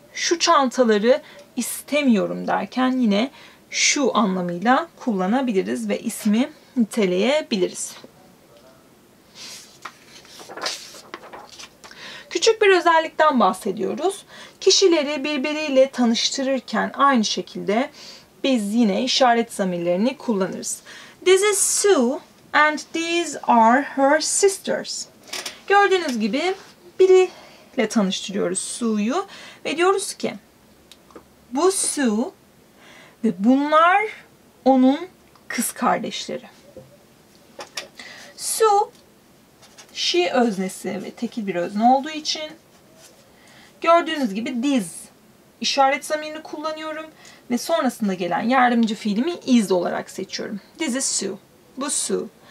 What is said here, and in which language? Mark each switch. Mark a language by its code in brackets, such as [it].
[tr] Şu çantaları istemiyorum derken yine şu anlamıyla kullanabiliriz ve ismi niteleyebiliriz. Küçük bir özellikten bahsediyoruz. Kişileri birbiriyle tanıştırırken aynı şekilde biz yine işaret zamirlerini kullanırız. [en] This is Sue and these are her sisters. [tr] Gördüğünüz gibi biriyle tanıştırıyoruz Sue'yu ve diyoruz ki bu Sue ve bunlar onun kız kardeşleri. Sue, she öznesi ve tekil bir özne olduğu için gördüğünüz gibi this işaret zamirini kullanıyorum ve sonrasında gelen yardımcı fiilimi is olarak seçiyorum. [en] This is Sue. [tr] Bu Sue.